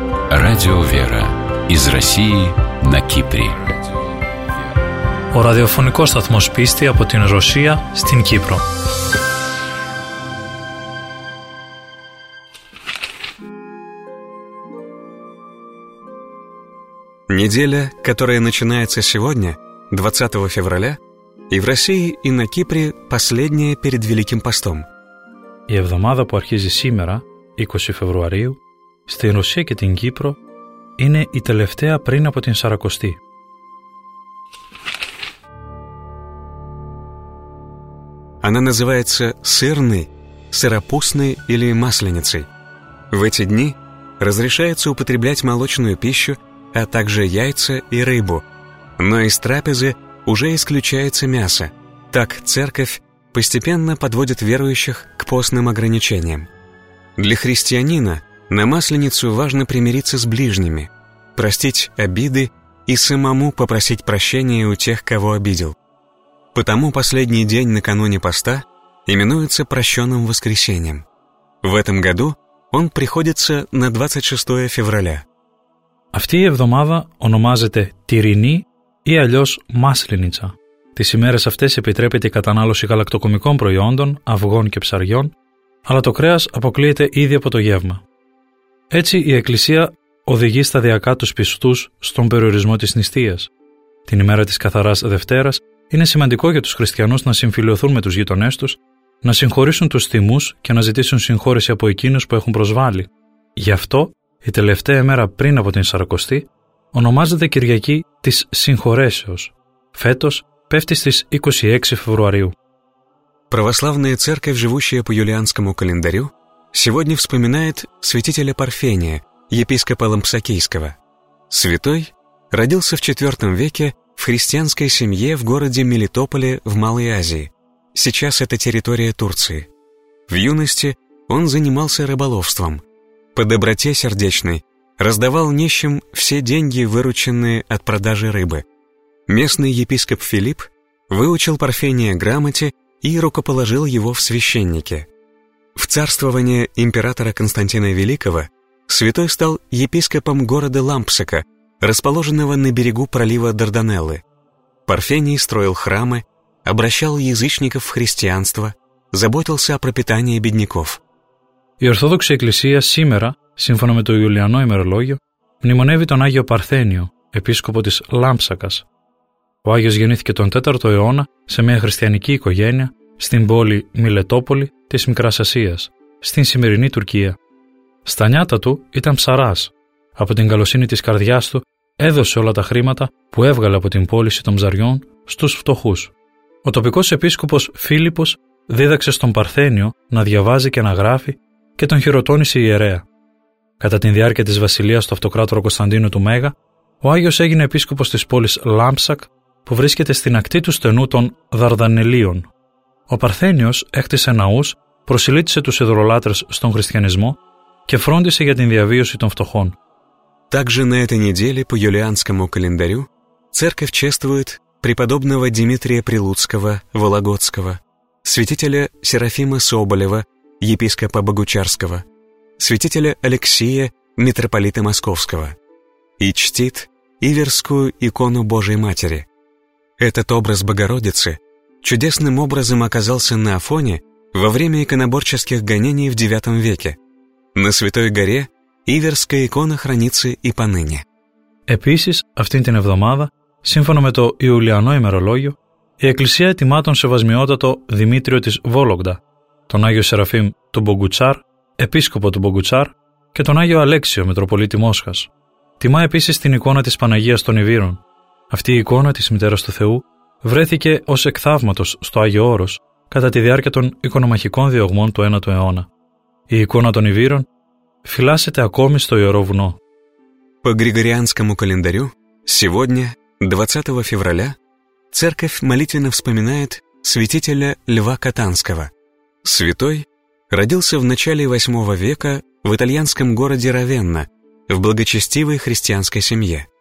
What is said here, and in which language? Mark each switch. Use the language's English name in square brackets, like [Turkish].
[Russian] Радио «Вера» из России на Кипре. [Greek] Ο ραδιοφωνικός σταθμός πίστη από την Ρωσία στην Κύπρο. [Russian] Неделя, которая начинается сегодня, 20 февраля, и в России, и на Кипре последняя перед Великим постом. [Greek] Η εβδομάδα που αρχίζει σήμερα, 20 Φεβρουαρίου, στην Ρωσία και την Κύπρο, είναι η τελευταία πριν από την Σαρακοστή. [Russian] Она называется сырный, сыропустный или масленицей. В эти дни разрешается употреблять молочную пищу, а также яйца и рыбу. Но из трапезы уже исключается мясо. Так церковь постепенно подводит верующих к постным ограничениям. Для христианина на масленицу важно примириться с ближними, простить обиды и самому попросить прощения у тех, кого обидел. Потому последний день накануне поста именуется прощенным воскресеньем. В этом году он приходится на 26 февраля. [Greek] Αυτή η εβδομάδα ονομάζεται Τυρινή ή αλλιώς Μάσλινιτσα. Τις ημέρες αυτές επιτρέπεται η κατανάλωση γαλακτοκομικών προϊόντων, αυγών και ψαριών, αλλά το κρέας αποκλείεται ήδη από το γεύμα. Έτσι η Εκκλησία οδηγεί σταδιακά τους πιστούς στον περιορισμό της νηστείας. Την ημέρα της Καθαράς Δευτέρας είναι σημαντικό για τους χριστιανούς να συμφιλειωθούν με τους γειτονές τους, να συγχωρήσουν τους θυμούς και να ζητήσουν συγχώρεση από εκείνους που έχουν προσβάλει. Γι' αυτό, η τελευταία μέρα πριν από την Σαρακοστή ονομάζεται Κυριακή της Συγχωρέσεως. Φέτος πέφτει στις 26 Φεβρουαρίου. [Russian] Православная церковь, живущая по юлианскому календарю, сегодня вспоминает святителя Парфения, епископа Лампсакийского. Святой родился в IV веке в христианской семье в городе Мелитополе в Малой Азии. Сейчас это территория Турции. В юности он занимался рыболовством. По доброте сердечной раздавал нищим все деньги, вырученные от продажи рыбы. Местный епископ Филипп выучил Парфения грамоте и рукоположил его в священники. В царствование императора Константина Великого святой стал епископом города Лампсака, расположенного на берегу пролива Дарданеллы. Парфений строил храмы, обращал язычников в христианство, заботился о пропитании бедняков. [Greek] Η Ορθόδοξη Εκκλησία σήμερα, σύμφωνα με το Ιουλιανό ημερολόγιο, μνημονεύει τον Άγιο Παρθένιο, επίσκοπο της Λάμψακας. Ο Άγιος γεννήθηκε τον 4ο αιώνα σε μια χριστιανική οικογένεια στην πόλη Μιλετόπολη της Μικράς Ασίας, στην σημερινή Τουρκία. Στα νιάτα του ήταν ψαράς. Από την καλοσύνη της καρδιάς του έδωσε όλα τα χρήματα που έβγαλε από την πώληση των ψαριών στους φτωχούς. Ο τοπικός επίσκοπος Φίλιππος δίδαξε στον Παρθένιο να διαβάζει και να γράφει και τον χειροτώνησε η ιερέα. Κατά τη διάρκεια της βασιλείας του αυτοκράτορα Κωνσταντίνου του Μέγα, ο Άγιος έγινε επίσκοπος της πόλης Λάμψακ, που βρίσκεται στην ακτή του στενού των Δαρδανελίων. Ο Παρθένιος έκτισε ναούς, προσιλήτησε τους ειδωλολάτρες στον χριστιανισμό και φρόντισε για την διαβίωση των φτωχών. [Russian] Также на этой неделе по юлианскому календарю церковь чествует преподобного Дмитрия Прилуцкого Вологодского, святителя Серафима Соболева, епископа Богучарского, святителя Алексия, митрополита Московского, и чтит Иверскую икону Божией Матери. Этот образ Богородицы чудесным образом оказался на Афоне во время иконоборческих гонений в IX веке. На Святой Горе Иверская икона хранится и поныне. [Greek] Επίσης, αυτήν την εβδομάδα, σύμφωνα με το Ιουλιανό ημερολόγιο, η Εκκλησία ετοιμά τον Σεβασμιότατο Δημήτριο της Βόλογδα, τον Άγιο Σεραφείμ του Μπογκουτσάρ, επίσκοπο του Μπογκουτσάρ, και τον Άγιο Αλέξιο, Μητροπολίτη Μόσχας. Τιμά επίσης την εικόνα της Παναγίας των Ιβύρων. Αυτή η εικόνα της Μητέρας του Θεού βρέθηκε ως εκθαύματος στο Άγιο Όρος κατά τη διάρκεια των οικονομαχικών διωγμών του 1ου αιώνα. Η εικόνα των Ιβύρων φυλάσσεται ακόμη στο Ιερό Βουνό. [Russian] По Григорианскому календарю, сегодня, 20 февраля, церковь молитвенно вспоминает святителя Льва Катанского. Святой родился в начале VIII века в итальянском городе Равенна в благочестивой христианской семье.